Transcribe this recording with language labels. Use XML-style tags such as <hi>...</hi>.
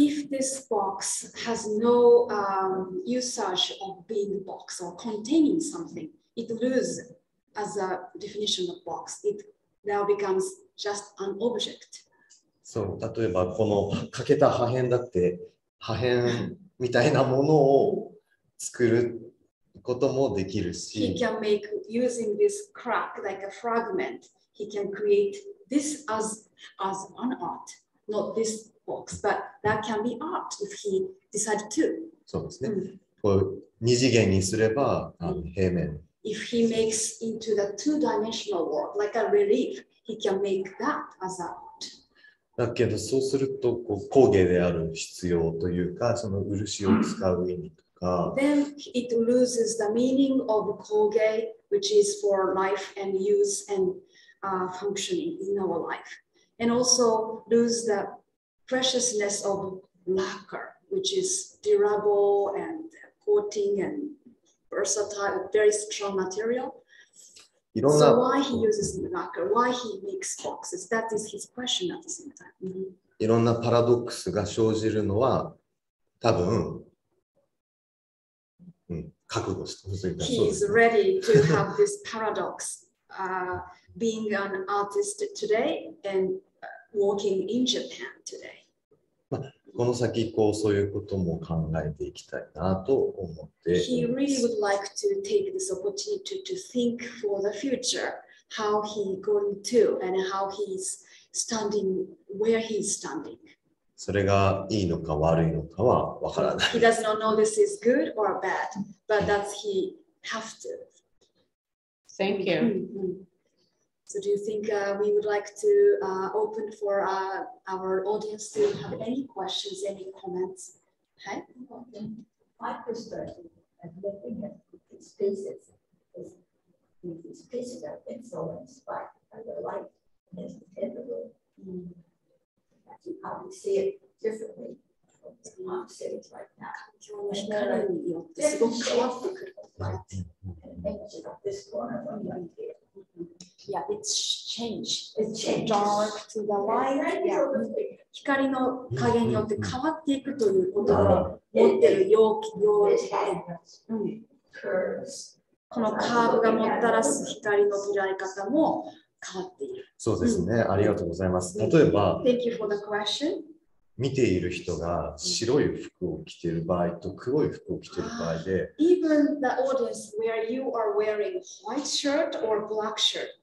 <en>If this box has no usage of being a box or containing something, it loses as a definition of box. It now becomes just an object.</en> <ja>そう、例えばこの欠けた破片だって破片みたいなものを作ることもできるし。</ja> <en>He can make using this crack like a fragment. He can create this as an art. Not this box, but that can be art if he decided to.</en> <ja>そうですね。うん、こう二次元にすれば、あの平面。</ja> <en>If he makes into the two-dimensional world, like a relief, he can make that as art.</en> <ja>だけど、そうすると、こう工芸である必要というか、その漆を使う意味とか。</ja> <en>Then it loses the meaning of 工芸, which is for life and use and、functioning in our life. And also lose the preciousness of lacquer, which is durable and coating and... versatile, very strong material. So why he uses lacquer? Why he makes boxes? That is his question at the same time. Mm-hmm.</en> <ja>いろんなパラドックスが生じるのは多分、うん、覚悟した。</ja> <en>He is ready to have this paradox, being an artist today and working in Japan today.</en> <ja>この先こうそういうことも考えていきたいなと思っています。</ja> <en>He really would like to take this opportunity to think for the future, how he going to and how he's standing, where he's standing.</en> <ja>それがいいのか悪いのかはわからない。</ja> <en>He does not know this is good or bad, but that's he have to. Thank you. So do you think we would like to open for our audience to have any questions, any comments? Hi. My perspective and looking at spaces is the spaces are influenced by the light and it's integral. That you probably see it differently from cities like that. It's philosophical, right? And nature of this corner from the idea. Yeah, it's change. It's change. Dark to the light. Yeah.</en> <ja>光の加減によって変わっていくということを持ってる容器容器。うん。このカーブがもたらす光の捉え方も変わっている。そうですね。ありがとうございます。例えば、</ja> <en>Thank you for the question.</en> <ja>見ている人が白い服を着ている場合と黒い服を着ている場合で、</ja> <en>Even the audience where you are wearing white shirt or black shirt.</en>